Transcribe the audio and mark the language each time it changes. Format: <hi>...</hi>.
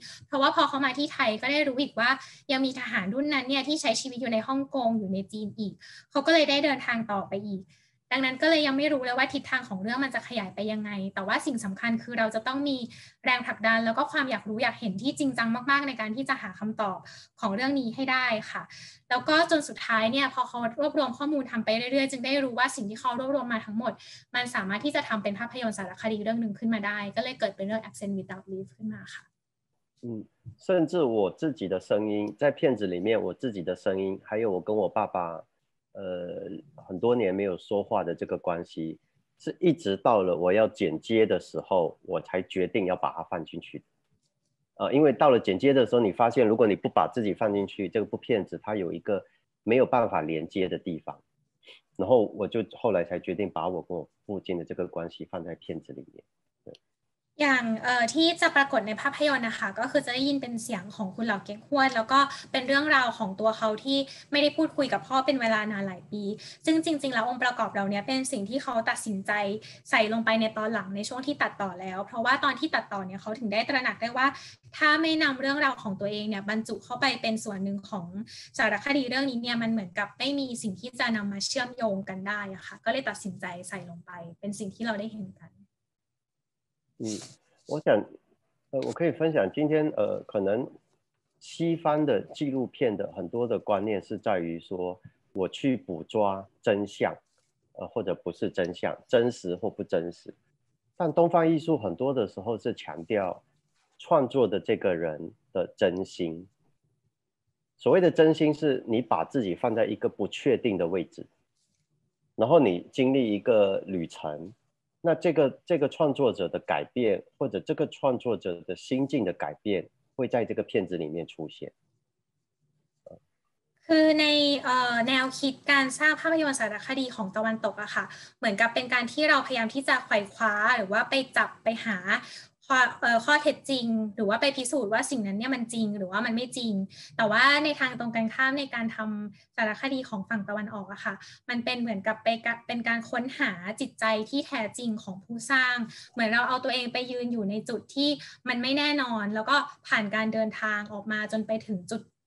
<th>เพราะว่าพอเขามาที่ไทยก็ได้รู้อีกว่ายังมีทหารรุ่นนั้นเนี่ยที่ใช้ชีวิตอยู่ในฮ่องกงอยู่ในจีนอีกเขาก็เลยได้เดินทางต่อไปอีกดังนั้นก็เลยยังไม่รู้เลยว่าทิศทางของเรื่องมันจะขยายไปยังไงแต่ว่าสิ่งสำคัญคือเราจะต้องมีแรงผลักดันแล้วก็ความอยากรู้อยากเห็นที่จริงจังมากๆในการที่จะหาคำตอบของเรื่องนี้ให้ได้ค่ะแล้วก็จนสุดท้ายเนี่ยพอเขารวบรวมข้อมูลทำไปเรื่อยๆจึงได้รู้ว่าสิ่งที่เขารวบรวมมาทั้งหมดมันสามารถที่จะทำเป็นภาพยนตร์สารคดีเรื่องนึงขึ้นมาได้ก็เลยเกิดเป็นเรื่อง Absent Without Leave ขึ้นมาค่ะ</th> <zh>甚至我自己的声音在片子里面我自己的声音还有我跟我爸爸很多年没有说话的这个关系是一直到了我要剪接的时候我才决定要把它放进去的因为到了剪接的时候你发现如果你不把自己放进去这个部片子它有一个没有办法连接的地方然后我就后来才决定把我跟我父亲的这个关系放在片子里面</zh> <th>อย่างที่จะปรากฏในภาพยนตร์นะคะก็คือจะได้ยินเป็นเสียงของคุณเหล่าเก๋งฮวนแล้วก็เป็นเรื่องราวของตัวเขาที่ไม่ได้พูดคุยกับพ่อเป็นเวลานานหลายปีซึ่งจริงๆแล้วองค์ประกอบเหล่านี้เป็นสิ่งที่เขาตัดสินใจใส่ลงไปในตอนหลังในช่วงที่ตัดต่อแล้วเพราะว่าตอนที่ตัดต่อเนี่ยเขาถึงได้ตระหนักได้ว่าถ้าไม่นำเรื่องราวของตัวเองเนี่ยบรรจุเข้าไปเป็นส่วนหนึ่งของสารคดีเรื่องนี้เนี่ยมันเหมือนกับไม่มีสิ่งที่จะนำมาเชื่อมโยงกันได้อะค่ะก็เลยตัดสินใจใส่ลงไปเป็นสิ่งที่เราได้เห็นกัน</th> <zh>嗯，我想，我可以分享今天，可能西方的纪录片的很多的观念是在于说，我去捕抓真相，或者不是真相，真实或不真实。但东方艺术很多的时候是强调创作的这个人的真心。所谓的真心，是你把自己放在一个不确定的位置，然后你经历一个旅程。那这个创作者的改变，或者这个创作者的心境的改变，会在这个片子里面出现。</zh> <th>คือในแนวคิดการสร้างภาพยนตร์สารคดีของตะวันตกอะค่ะเหมือนกับเป็นการที่เราพยายามที่จะไขว่คว้าหรือว่าไปจับไปหาข้อเท็จจริงหรือว่าไปพิสูจน์ว่าสิ่งนั้นเนี่ยมันจริงหรือว่ามันไม่จริงแต่ว่าในทางตรงกันข้ามในการทำสารคดีของฝั่งตะวันออกอะค่ะมันเป็นเหมือนกับเป็นการค้นหาจิตใจที่แท้จริงของผู้สร้างเหมือนเราเอาตัวเองไปยืนอยู่ในจุดที่มันไม่แน่นอนแล้วก็ผ่านการเดินทางออกมาจนไปถึงจุด</th>